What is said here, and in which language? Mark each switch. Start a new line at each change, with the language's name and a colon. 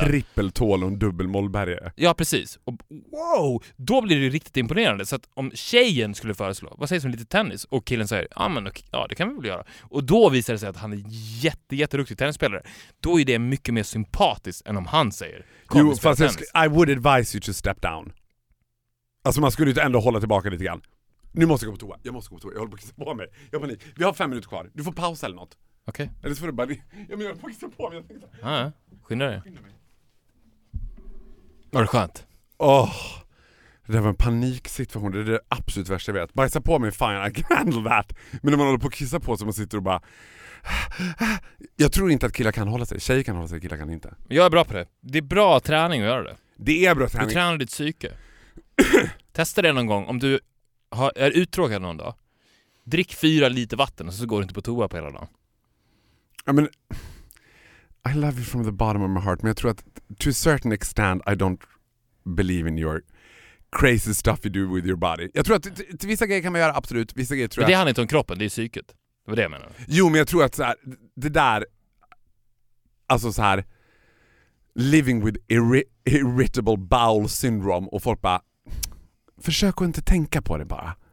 Swedish: Ja, en trippeltål och en dubbelmålbärge. Ja, precis. Och wow, då blir det riktigt imponerande. Så att om tjejen skulle föreslå, vad säger som lite tennis? Och killen säger, ja, det kan vi väl göra. Och då visar det sig att han är jätteduktig tennisspelare. Då är det mycket mer sympatiskt än om han säger,
English: I would advise you to step down.
Swedish: Alltså man skulle ju ändå hålla tillbaka lite grann. Nu måste jag gå på toa. Jag håller på att kissa på mig. Jag har panik. Vi har 5 minuter kvar. Du får pausa eller något. Okej. Okay. Eller så får du bara... Ja, men jag håller på att kissa på mig. Skynda dig. Var det skönt? Åh. Det var en paniksituation. Det är det absolut värsta jag vet. Bajsa på mig, fine.
English: I can handle that.
Swedish: Men när man håller på att kissa på sig, man sitter och bara... Jag tror inte att killar kan hålla sig. Tjejer kan hålla sig, killar kan inte. Jag är bra på det. Det är bra träning att göra det. Det är bra träning. Du tränar ditt psyke. Testa det någon gång. Om du är uttråkad någon dag, drick 4 liter vatten och så går du inte på toa på hela dagen.
English: I mean, I love you from the bottom of my heart,
Swedish: men jag tror att
English: to a certain extent I don't believe in your crazy stuff you do with your body.
Swedish: Jag tror att till vissa grejer kan man göra, absolut. Vissa grejer tror jag. Men det handlar inte om kroppen, det är psyket. Det var det jag menade. Jo, men jag tror att så här, det där, alltså så här,
English: living with irritable bowel syndrome,
Swedish: och folk bara, försök att inte tänka på det bara.